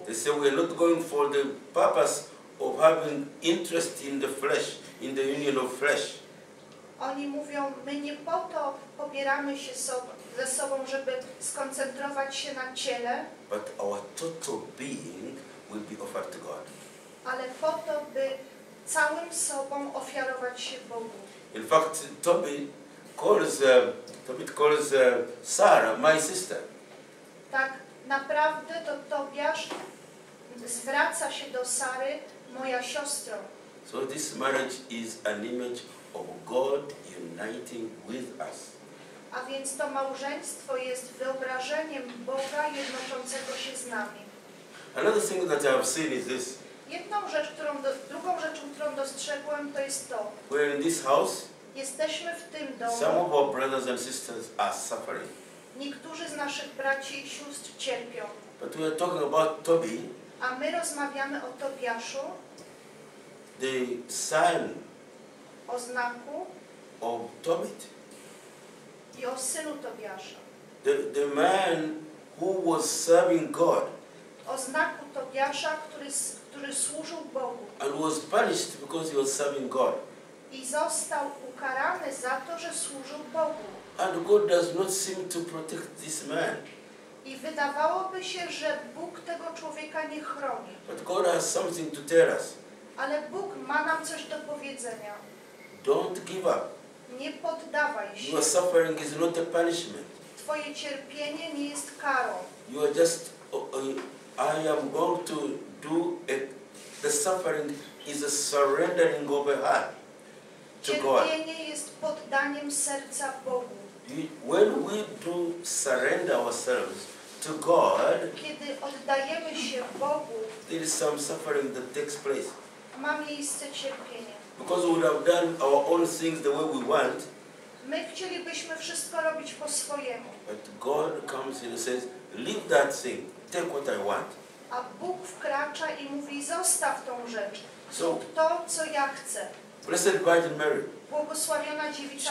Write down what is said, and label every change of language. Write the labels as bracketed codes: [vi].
[en] They say, we are not going for the purpose of having interest in the flesh, in the union of flesh. [pl] Oni mówią, my nie po to pobieramy się ze sobą, żeby skoncentrować się na ciele. [en] But our total being will be offered to God. [pl] Ale po to, by całym sobą ofiarować się Bogu. [en] In fact, Toby calls Sarah, my sister. [pl] tak naprawdę to Tobiasz zwraca się do Sary, moja siostro. [en] So this marriage is an image of God uniting with us. [pl] A więc to małżeństwo jest wyobrażeniem Boga jednoczącego się z nami. [en] Another thing that I have seen is this. [pl] Jedną rzecz, którą drugą rzeczą, którą dostrzegłem, to jest to. [en] We're in this house. [pl] Jesteśmy w tym domu. [en] Some of our brothers and sisters are suffering. [pl] Niektórzy z naszych braci i sióstr cierpią. [en] But we are talking about Toby. [pl] A my rozmawiamy o Tobiaszu. [en] The son. [pl] O znaku. O Toby. I o synu Tobiasza. [en] The man who was serving God. [pl] O znaku Tobiasza, który służył Bogu. [en] And was punished because he was serving God. [pl] I został ukarany za to, że służył Bogu. [en] And God does not seem to protect this man. [pl] I wydawałoby się, że Bóg tego człowieka nie chroni. [en] But God has something to tell us. [pl] Ale Bóg ma nam coś do powiedzenia. [en] Don't give up. [pl] Nie poddawaj się. [en] Your suffering is not a punishment. [pl] Twoje cierpienie nie jest karą. [en] You are just, I am going to do it. The suffering is a surrendering of a heart to God. [pl] Cierpienie jest poddaniem serca Bogu. [en] When we do surrender ourselves to God, [pl] kiedy oddajemy się Bogu, [en] there is some suffering that takes place. [pl] Ma miejsce cierpienie. [en] Because we would have done our own things the way we want. [pl] My chcielibyśmy wszystko robić po swojemu. [en] But God comes and says, leave that thing, take what I want. [pl] A Bóg wkracza i mówi, zostaw tą rzecz, zrób to, co ja chcę. [en] Blessed Virgin Mary. [pl] Błogosławiona dziewica